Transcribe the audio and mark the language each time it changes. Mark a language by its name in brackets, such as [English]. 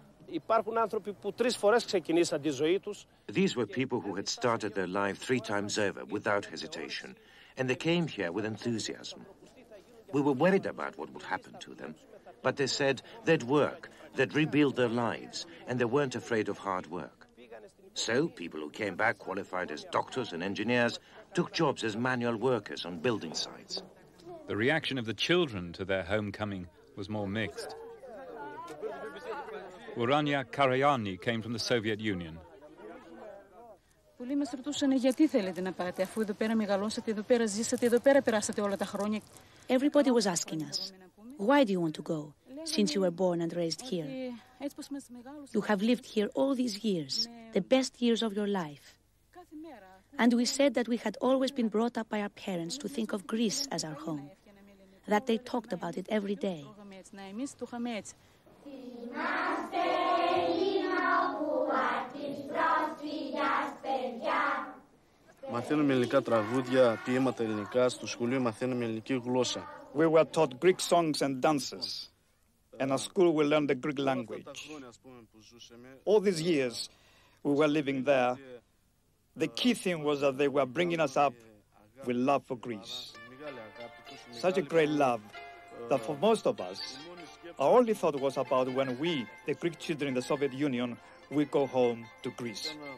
[Greek] Υπάρχουν άνθρωποι που τρεις φορές ξεκινήσαν τη ζωή τους [English] These were people who had started their life three times over without hesitation, and they came here with enthusiasm. We were worried about what would happen to them, but they said they'd work, they'd rebuild their lives, and they weren't afraid of hard work. So people who came back qualified as doctors and engineers took jobs as manual workers on building sites. The reaction of the children to their homecoming was more mixed. Urania Karayani came from the Soviet Union. [Greek] Πολλοί μας ρωτούσαν γιατί θέλετε να πάτε, αφού εδώ πέρα μεγαλώσατε, εδώ πέρα ζήσατε, εδώ πέρα περάσατε όλα τα χρόνια. [English] Everybody was asking us, why do you want to go, since you were born and raised here? You have lived here all these years, the best years of your life. And we said that we had always been brought up by our parents to think of Greece as our home, that they talked about it every day. [Greek] Είμαστε ελληνοπούλα. Μαθαίνουμε ελληνικά τραγούδια, ποίηματα ελληνικά. Στο σχολείο μαθαίνουμε ελληνική γλώσσα. [English] We were taught Greek songs and dances. And at school we learned the Greek language. All these years we were living there, the key thing was that they were bringing us up with love for Greece. Such a great love that for most of us, our only thought was about when we, the Greek children in the Soviet Union, we go home to Greece.